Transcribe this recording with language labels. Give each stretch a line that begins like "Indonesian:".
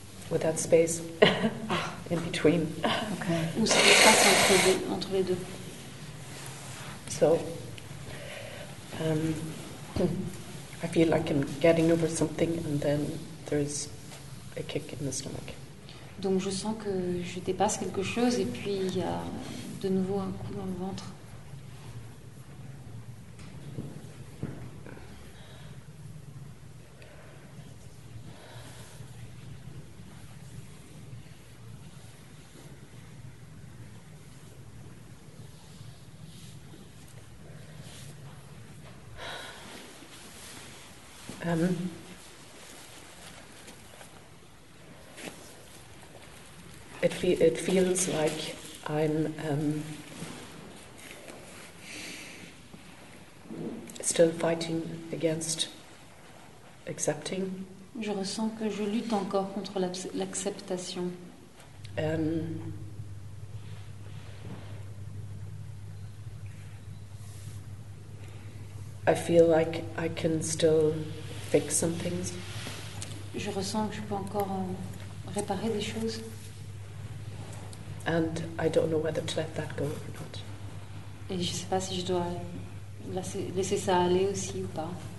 English: Without space in between.
French: Okay. Où c'est l'espace entre les deux.
English: So. I feel like I'm getting over something and then there's a kick in the stomach.
French: Donc je sens que je dépasse quelque chose et puis il y a de nouveau un coup dans le ventre.
English: It feels like I'm still fighting against accepting.
French: Je ressens que je lutte encore contre l'acceptation.
English: I feel like I can still fix some things.
French: Je ressens que je peux encore réparer des choses.
English: And I don't know whether to let that go or not.
French: Et je sais pas si je dois laisser ça aller aussi ou pas.